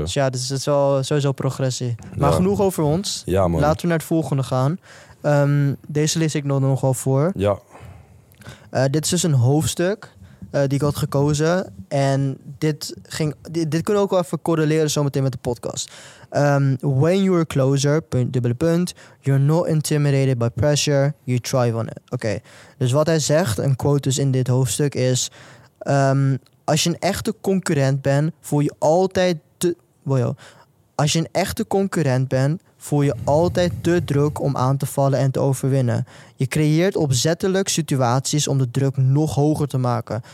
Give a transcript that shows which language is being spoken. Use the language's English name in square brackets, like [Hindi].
[Dutch] Dus ja, dat is wel sowieso progressie. Maar genoeg over ons. Ja, man. Laten we naar het volgende gaan. Deze lees ik nog wel voor. Ja. Dit is dus een hoofdstuk die ik had gekozen. En dit kunnen we ook wel even correleren zometeen met de podcast. [English] When you're closer, you're not intimidated by pressure, you thrive on it. Okay. [Dutch] Dus wat hij zegt, een quote dus in dit hoofdstuk is... als je een echte concurrent bent, voel je altijd te... Als je een echte concurrent bent, voel je altijd te druk om aan te vallen en te overwinnen. Je creëert opzettelijk situaties om de druk nog hoger te maken.